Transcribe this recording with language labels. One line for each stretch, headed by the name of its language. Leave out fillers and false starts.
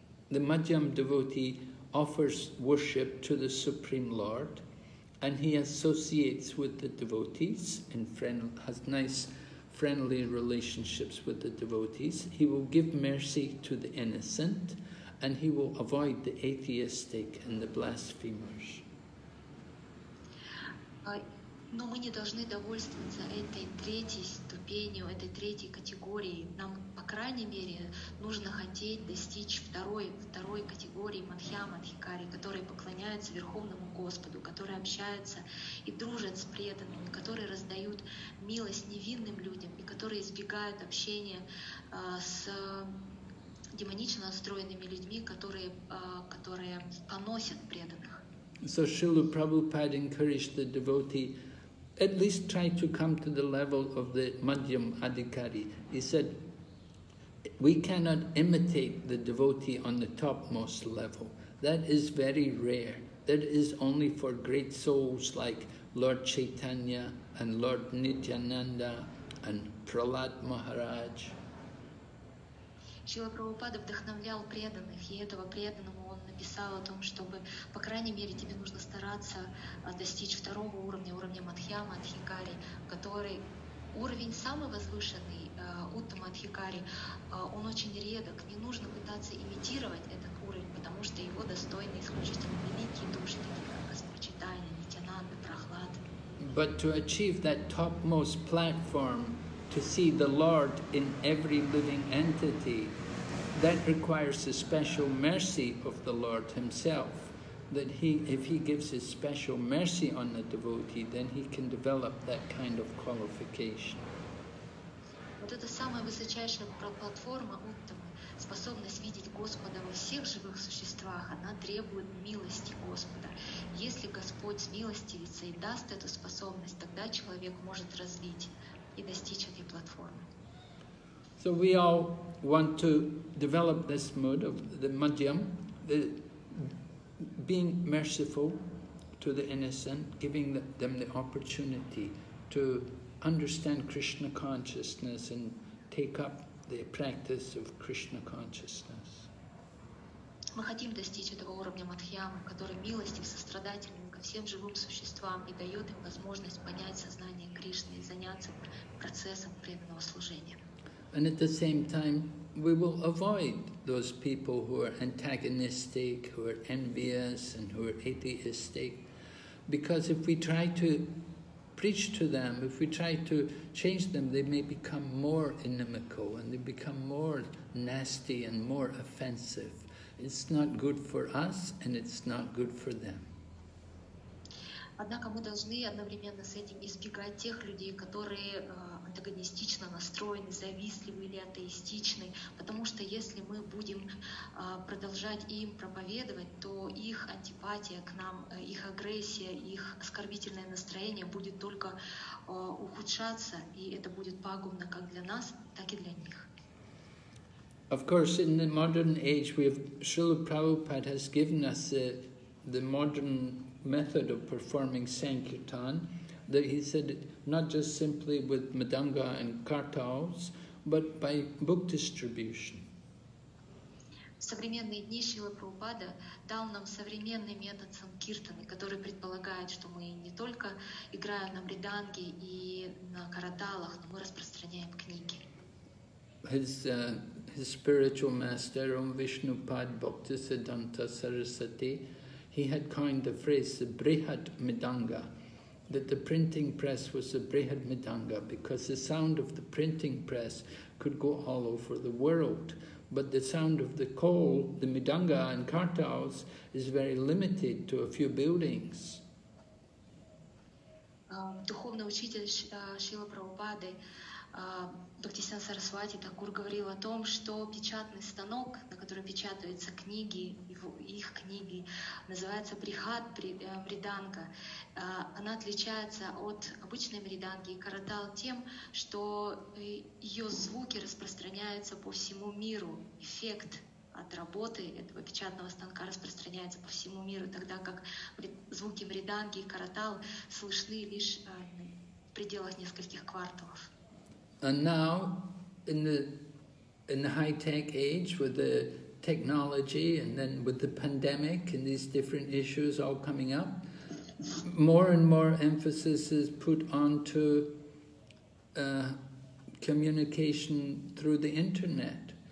English: The Madhyam devotee offers worship to the Supreme Lord, and he associates with the devotees and has nice friendly relationships with the devotees. He will give mercy to the innocent, and he will avoid the atheistic and the blasphemers.
Russian: Но мы не должны довольствоваться этой третьей ступенью, этой третьей категорией. Нам, по крайней мере, нужно хотеть достичь второй категории Мадхьяма Адхикари, которые поклоняются Верховному Господу, которые общаются и дружат с преданными, которые раздают милость невинным людям и которые избегают общения с демонично настроенными людьми, которые поносят преданных.
English: So Srila Prabhupada encouraged the devotee, at least try to come to the level of the Madhyam Adhikari. He said, We cannot imitate the devotee on the topmost level. That is very rare. That is only for great souls like Lord Chaitanya and Lord Nityananda and Prahlad Maharaj.
Russian: Шрила Прабхупада вдохновлял преданных, и этого преданного он написал о том, чтобы, по крайней мере, тебе нужно стараться достичь второго уровня, уровня Мадхьяма Адхикари, который уровень самый возвышенный, Уттама Адхикари, он очень редок, не нужно пытаться имитировать этот уровень, потому что его достойны исключительно великие души, такие как Господь Чайтанья, Нитянанда, Прахлад.
English: But to achieve that topmost platform, to see the Lord in every living entity, that requires the special mercy of the Lord Himself. That He, if He gives His special mercy on the devotee, then he can develop that kind of qualification.
Russian: Вот это самая высочайшая платформа Уттамы, способность видеть Господа во всех живых существах, она требует милости Господа. Если Господь смилостивится и даст эту способность, тогда человек может развить и достичь этой платформы.
English: So we all want to develop this mood of the Madhyam, the being merciful to the innocent, giving them the opportunity to understand Krishna consciousness and take up the practice of Krishna consciousness.
Russian: Мы хотим достичь этого уровня Мадхьяма, который милостив, сострадательный ко всем живым существам и дает им возможность понять сознание Кришны и заняться процессом преданного служения.
English: And at the same time, we will avoid those people who are antagonistic, who are envious, and who are atheistic. Because if we try to preach to them, if we try to change them, they may become more inimical, and they become more nasty and more offensive. It's not good for us, and it's not good for them.
Russian: Однако мы должны одновременно с этим избегать тех людей, которые антагонистично настроены, завистливы или атеистичны, потому что если мы будем продолжать им проповедовать, то их антипатия к нам, их агрессия, их оскорбительное настроение будет только ухудшаться, и это будет пагубно как для нас, так и для них.
English: Of course, in the modern age, we have Srila Prabhupada has given us the modern method of performing Sankirtan, that he said not just simply with Madanga and Kartals, but by book distribution.
Russian: В современные дни Шрила Прабхупада дал нам современный метод Санкиртаны, который предполагает, что мы не только играем на мриданге и на караталах, но мы распространяем книги.
English: His spiritual master, Om Vishnupad Bhaktisiddhanta Sarasati, he had coined the phrase the Brihad Midanga, that the printing press was the Brihad Midanga because the sound of the printing press could go all over the world. But the sound of the call, the Midanga and Kartals, is very limited to a few buildings.
Russian: Духовный учитель Шрила Прабхупады, Бхактисиддханта Сарасвати Такур, говорил о том, что печатный станок, на котором печатаются книги, их книги, называется Брихат Мриданга. Она отличается от обычной мриданги и каратал тем, что ее звуки распространяются по всему миру. Эффект от работы этого печатного станка распространяется по всему миру, тогда как звуки мриданги и каратал слышны лишь в пределах нескольких кварталов.
English: And now, in the high-tech age, with the technology, and then with the pandemic, and these different issues all coming up, more and more emphasis is put onto communication through the internet.